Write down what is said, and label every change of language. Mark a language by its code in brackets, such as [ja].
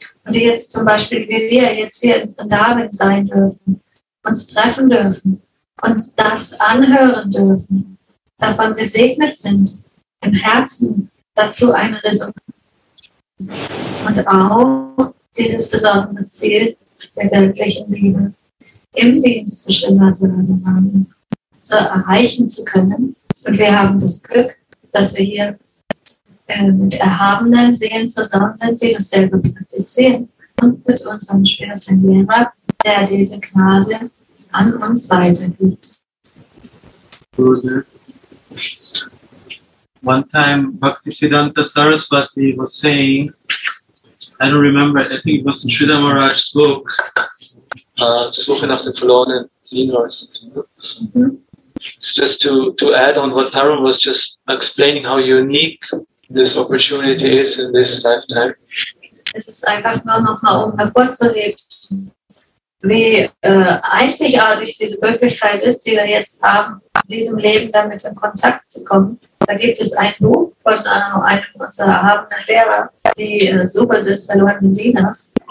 [de] und die jetzt zum Beispiel wie wir jetzt hier in Vrindavan sein dürfen, uns treffen dürfen, uns das anhören dürfen, davon gesegnet sind, im Herzen dazu eine Resonanz und auch dieses besondere Ziel der göttlichen Liebe im Dienst zu Srimati Radharani zu erreichen zu können. Und wir haben das Glück, dass wir hier mit erhabenen Seelen zusammen sind, die dasselbe praktizieren. Und mit unserem späteren Lehrer, der diese Gnade an uns weitergibt. [en] One time Bhaktisiddhanta Saraswati was saying, I don't remember, I think it was in Sridhar Maharaj spoke, [de] Suche nach den verlorenen Seelen. [en] It's just to add on what Tarun was just explaining, how unique this opportunity is in this lifetime. [de] Es ist einfach nur nochmal, um hervorzuheben, wie einzigartig diese Möglichkeit ist, die wir jetzt haben, in diesem Leben damit in Kontakt zu kommen. Da gibt es ein Buch von einem unserer erhabenen Lehrer, die Suche des verlorenen Dieners.